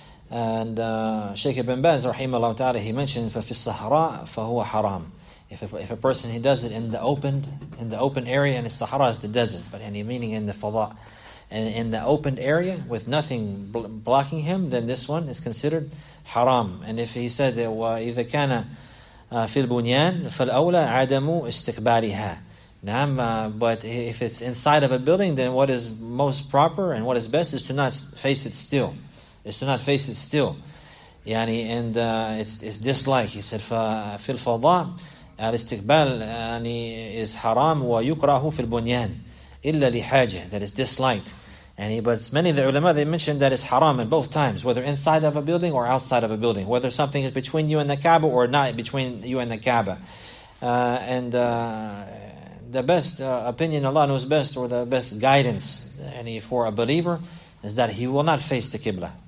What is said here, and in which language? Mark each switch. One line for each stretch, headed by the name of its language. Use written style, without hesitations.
English: And Shaykh Ibn Baz, rahimahullah ta'ala, he mentioned,
Arabic: فَفِي الصَّحْرَى فَهُوَ حَرَامٌ.
English: If a person, he does it in the open area, and the Sahara is the desert, but any meaning in the fada, and in the open area with nothing blocking him, then this one is considered haram. And if he said,
Arabic: وَإِذَا كَانَ فِي الْبُنْيَانِ فَالْأَوْلَى عَدَمُ اسْتِقْبَالِهَا.
English: Naam, but if it's inside of a building, then what is most proper and what is best is to not face it still. Is to not face it still.
Arabic: Yani,
English: and it's dislike. He said,
Arabic: فِي الْفَضَى الْاِسْتِقْبَالِ يعني,
English: is haram
Arabic: وَيُقْرَهُ فِي الْبُنْيَانِ إِلَّا لِحَاجَةٍ.
English: That is disliked. Yani, but many of the ulama, they mentioned that it's haram in both times, whether inside of a building or outside of a building, whether something is between you and the Kaaba or not between you and the Kaaba. The best opinion, Allah knows best, or the best guidance for a believer, is that he will not face the Qibla.